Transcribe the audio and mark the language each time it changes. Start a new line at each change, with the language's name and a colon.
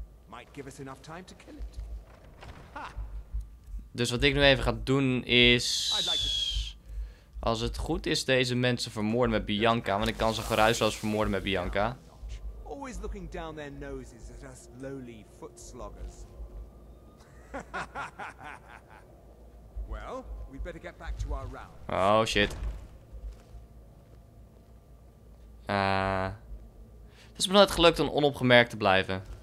English: Might give us enough time to kill it.
Dutch: Dus wat ik nu even ga doen is, als het goed is, deze mensen vermoorden met Bianca. Want ik kan ze geruisloos vermoorden met Bianca.
English: Always looking down their noses at us lowly foot sloggers. Well, we'd better get back to our round. Oh shit.
Dutch: Het is me nooit gelukt om onopgemerkt te blijven.